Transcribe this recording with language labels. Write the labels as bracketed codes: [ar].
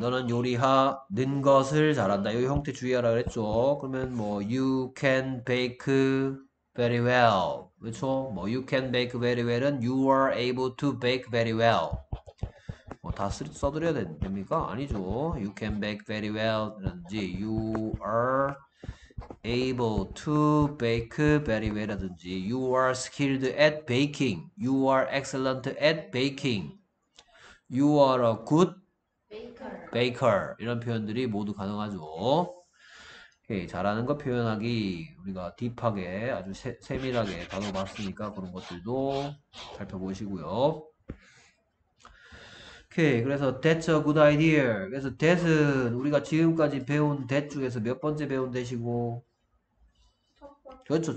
[ko] 너는 요리하는 것을 잘한다. 이 형태 주의하라 그랬죠. 그러면 뭐 [en] you can bake very well. [ko] 그렇죠? [en] 뭐 you can bake very well은 you are able to bake very well. [ko] 뭐다 써드려야 됩니까? 아니죠. [en] You can bake very well라든지 you are able to bake very well라든지 you are skilled at baking, you are excellent at baking, you are a good baker [ko] 이런 표현들이 모두 가능하죠. 오케이, 잘하는 거 표현하기 우리가 딥하게 아주 세밀하게 다뤄봤으니까 그런 것들도 살펴보시고요. 오케이, 그래서 [en] that's a good idea. [ko] 그래서 that은 우리가 지금까지 배운 that 중에서 몇 번째 배운 that이고, 그렇죠.